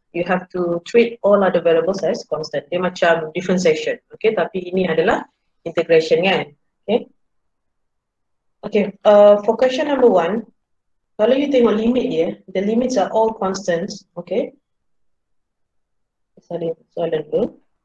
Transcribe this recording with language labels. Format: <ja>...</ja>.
<en>You have to treat all other variables as constant.</en> <ms>Dia macam differentiation. Okay, tapi ini adalah integration kan?</ms> <en>Okay. Okay, for question number 1,</en> <ms>kalau you tengok limit dia,</ms> <en>the limits are all constants. Okay.</en> <ms>Sorry, soalan dulu.</ms>